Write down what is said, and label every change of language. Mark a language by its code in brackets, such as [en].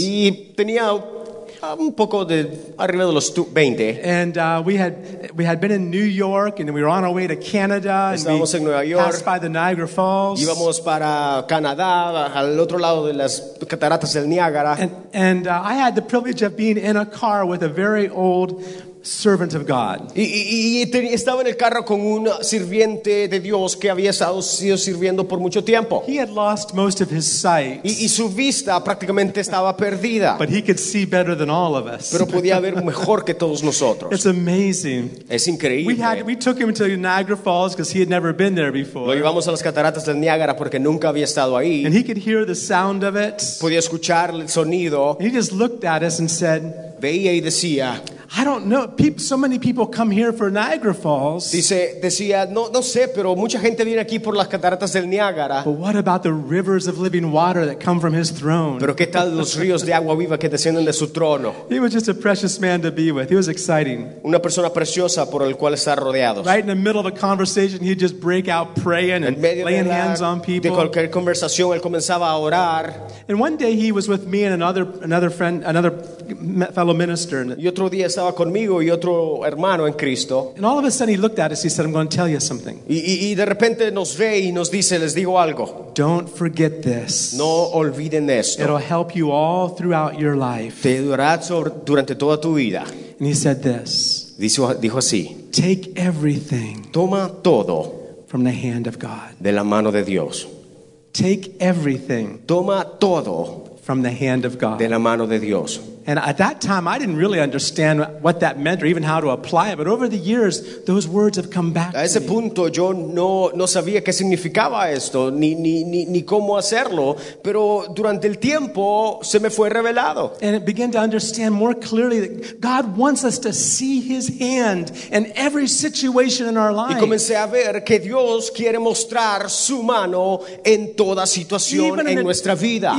[es] Y tenía un poco de arriba de los 20. [en] And we had been in New York, and we were on our way to Canada. [es] Estábamos [en] and [es] en Nueva York. [en] Passed by the Niagara Falls. [es] Íbamos para Canadá, al otro lado de las cataratas del Niágara. [en] And I had the privilege of being in a car with a very old servant of God. [es] Y estaba en el carro con un sirviente de Dios que había sido sirviendo por mucho tiempo. [en] He had lost most of his sight. [es] Y su vista prácticamente estaba perdida. [en] But he could see better than all of us. [es] Pero podía ver mejor que todos nosotros. [en] It's amazing. [es] Es increíble. [en] We took him to Niagara Falls because he had never been there before. [es] Lo llevamos a las cataratas del Niágara porque nunca había estado ahí. [en] And he could hear the sound of it. [es] Podía escuchar el sonido. [en] And he just looked at us and said, [es] veía y decía, [en] I don't know. So many people come here for Niagara Falls. [es] Decía, no sé, pero mucha gente viene aquí por las cataratas del Niágara. [en] But what about the rivers of living water that come from His throne? [es] Pero qué tal los ríos de agua viva que descienden de su trono? [en] He was just a precious man to be with. He was exciting. [es] Una persona preciosa por el cual estar rodeados. [en] Right in the middle of a conversation, he'd just break out praying and laying hands on people. [es] De cualquier conversación, él comenzaba a orar. [en] And one day he was with me and another friend, another fellow minister. [es] Y otro día estaba conmigo y otro hermano en Cristo. [en] And all of a sudden he looked at us, he said, I'm going to tell you something. [es] Y de repente nos ve y nos dice, les digo algo. [en] Don't forget this. [es] No olviden esto. [en] It'll help you all throughout your life. [es] Te durará durante toda tu vida. [en] And he said this. [es] Dijo así. [en] Take everything. [es] Toma todo. [en] From the hand of God. [es] De la mano de Dios. [en] Take everything. [es] Toma todo. [en] From the hand of God. [es] De la mano de Dios. [en] And at that time, I didn't really understand what that meant or even how to apply it. But over the years, those words have come back to me. [es] A ese punto, yo no sabía qué significaba esto, ni cómo hacerlo. Pero durante el tiempo, se me fue revelado. [en] And it began to understand more clearly that God wants us to see His hand in every situation in our life. [es] Y comencé a ver que Dios quiere mostrar su mano en toda situación en nuestra vida.